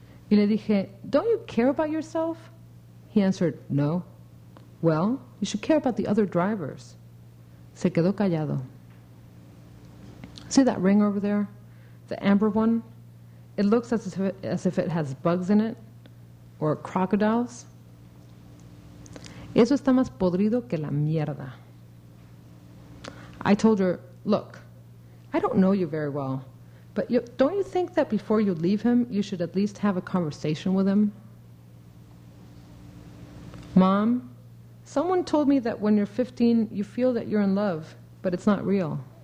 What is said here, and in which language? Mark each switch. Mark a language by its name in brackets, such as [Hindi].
[Spanish] Y le dije, [English] don't you care about yourself? He answered, no. Well, you should care about the other drivers. [Spanish] Se quedó callado. [English] See that ring over there? The amber one? It looks as if it has bugs in it. Or crocodiles. [Spanish] Eso está más podrido que la mierda. [English] I told her, look, I don't know you very well. But don't you think that before you leave him, you should at least have a conversation with him? Mom, someone told me that when you're 15, you feel that you're in love, but it's not real.